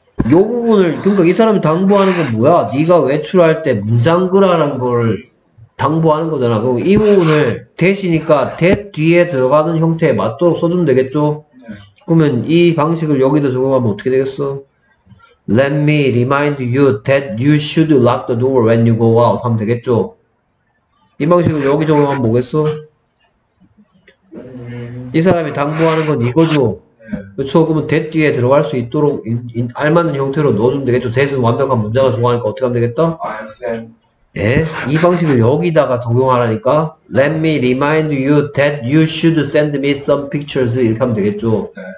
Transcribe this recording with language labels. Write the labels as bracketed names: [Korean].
[Korean] 요 부분을 그러니까 이 사람이 당부하는 건 뭐야? 네가 외출할 때 문장그라는 걸 당부하는 거잖아. 그럼 이 부분을 대시니까 that 뒤에 들어가는 형태에 맞도록 써주면 되겠죠? 그러면 이 방식을 여기다 적용하면 어떻게 되겠어? [English] Let me remind you that you should lock the door when you go out [Korean] 하면 되겠죠? 이 방식으로 여기 적용하면 뭐겠어? 이 사람이 당부하는 건 이거죠. 그렇죠. 그러면 that 뒤에 들어갈 수 있도록 알맞는 형태로 넣어주면 되겠죠. that은 완벽한 문장을 좋아하니까 어떻게 하면 되겠다? [English] I send. [Korean] 예? 이 방식을 여기다가 적용하라니까 [English] let me remind you that you should send me some pictures [Korean] 이렇게 하면 되겠죠.